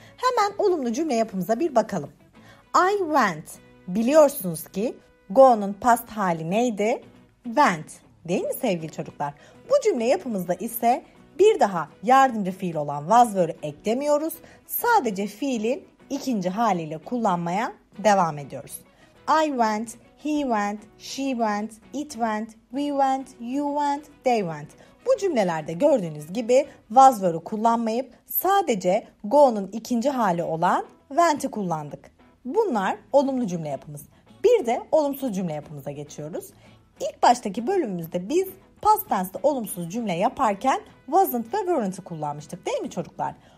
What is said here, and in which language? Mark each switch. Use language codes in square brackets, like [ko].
[tr] Hemen olumlu cümle yapımıza bir bakalım. [en] I went. [tr] Biliyorsunuz ki go'nun past hali neydi? Went. Değil mi sevgili çocuklar? Bu cümle yapımızda ise bir daha yardımcı fiil olan was were'ı eklemiyoruz. Sadece fiilin ikinci haliyle kullanmaya devam ediyoruz. [en] I went, he went, she went, it went, we went, you went, they went. [tr] Bu cümlelerde gördüğünüz gibi was were'ı kullanmayıp sadece go'nun ikinci hali olan went'i kullandık. Bunlar olumlu cümle yapımız. Bir de olumsuz cümle yapımıza geçiyoruz. İlk baştaki bölümümüzde biz past tense'de olumsuz cümle yaparken wasn't ve weren't'ı kullanmıştık değil mi çocuklar?